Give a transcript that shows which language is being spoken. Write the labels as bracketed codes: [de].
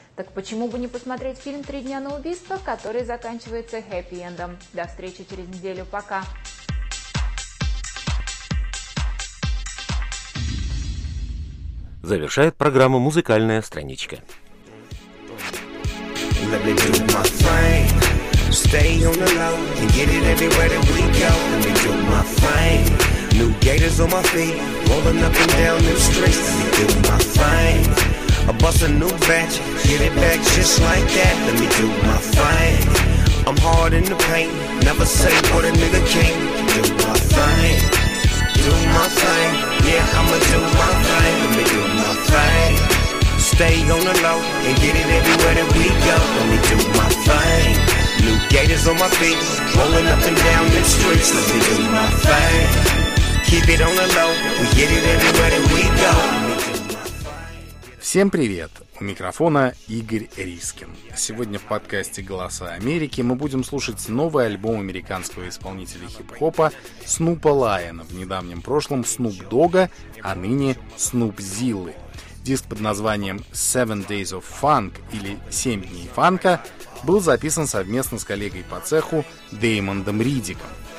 [ru] Так почему бы не посмотреть фильм «Три дня на убийство», который заканчивается хэппи-эндом? До встречи через неделю. Пока! Завершает программу «Музыкальная страничка». [en] Let me do my thing, stay on the low, and get it everywhere that we go. Let me do my thing, New gaiters on my feet, rolling up and down them streets. Let me do my thing. I bust a new batch, get it back just like that. Let me do my thing. I'm hard in the paint, never say what a nigga can't. Do my thing. Do my thing. Yeah, I'ma do my thing. Let me do my thing. Stay on the low and get it everywhere that we go. Let me do my thing. New gaiters on my feet, rolling up and down the streets. Let me do my thing. Keep it on the low, we get it everywhere that we go. [ru] Всем привет! У микрофона Игорь Рискин. Сегодня в подкасте «Голоса Америки» мы будем слушать новый альбом американского исполнителя хип-хопа Снупа Лайона, в недавнем прошлом Снуп Дога, а ныне Снуп Зиллы. Диск под названием «Seven Days of Funk» или «Семь дней фанка» был записан совместно с коллегой по цеху Дэймондом Ридиком.